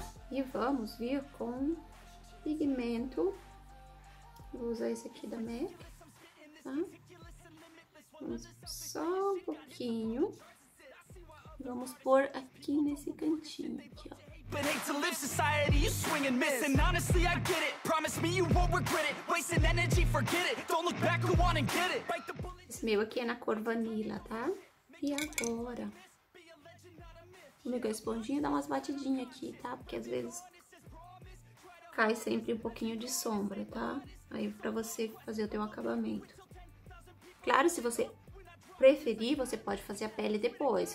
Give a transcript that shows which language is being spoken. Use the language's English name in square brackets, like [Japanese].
[Portuguese] E vamos vir com pigmento. Vou usar esse aqui da MAC, tá? Vamos só um pouquinho. Vamos pôr aqui nesse cantinho aqui, ó. [English] But hate to live society, you swing and miss. And honestly, I get it. Promise me you won't regret it. Wasting energy, forget it. Don't look back, go on and get it. [Portuguese] Esse meu aqui é na cor vanilla, tá? E agora? Vou pegar a esponjinha e dar umas batidinhas aqui, tá? Porque às vezes cai sempre um pouquinho de sombra, tá? Aí pra você fazer o teu acabamento. Claro, se você preferir, você pode fazer a pele depois.